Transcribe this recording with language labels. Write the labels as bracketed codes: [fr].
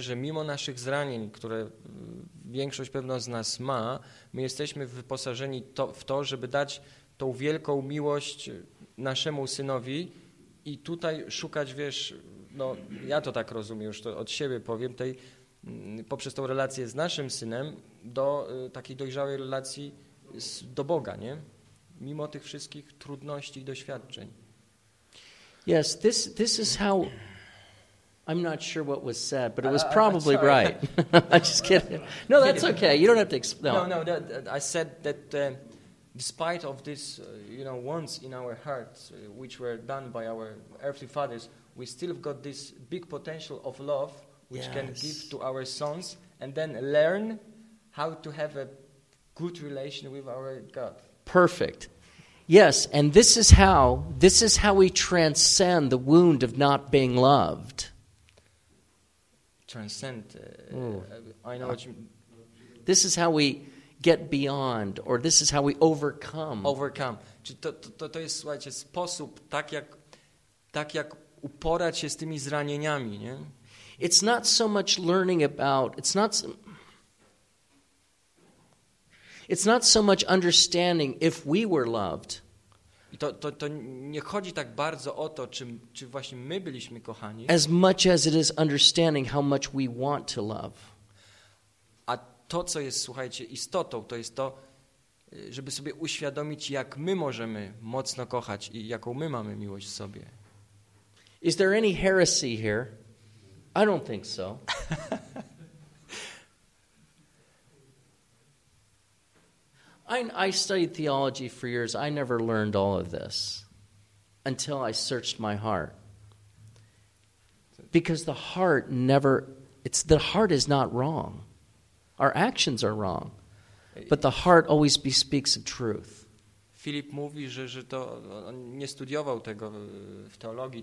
[pl] Że mimo naszych zranień, które większość pewno z nas ma, my jesteśmy wyposażeni w to, żeby dać tą wielką miłość naszemu synowi i tutaj szukać, wiesz, no ja to tak rozumiem, już to od siebie powiem, poprzez tą relację z naszym synem do takiej dojrzałej relacji do Boga, nie? Mimo tych wszystkich trudności i doświadczeń. [en] Yes, this is how, I'm not sure what was said, but it was probably right. I'm just kidding. No, that's okay. You don't have to explain. No, I said that despite of this, wants in our hearts, which were done by our earthly fathers, we still have got this big potential of love, which can give to our sons, and then learn how to have a good relation with our God. Perfect. Yes, and this is how we transcend the wound of not being loved. Transcend. I know what you mean. This is how we get beyond, or this is how we overcome. Overcome. [pl] To jest, słuchajcie, sposób, tak jak uporać się z tymi zranieniami, nie? [en] It's not so much learning about. It's not so much understanding if we were loved. [pl] To nie chodzi tak bardzo o to, czy właśnie my byliśmy kochani. [en] As much as it is understanding how much we want to love. [pl] A to, co jest, słuchajcie, istotą, to jest to, żeby sobie uświadomić, jak my możemy mocno kochać i jaką my mamy miłość w sobie. [en] Is there any heresy here? I don't think so. I studied theology for years. I never learned all of this until I searched my heart. Because the heart never, the heart is not wrong. Our actions are wrong. But the heart always bespeaks of truth. [pl] Filip mówi, że to, on nie studiował tego w teologii.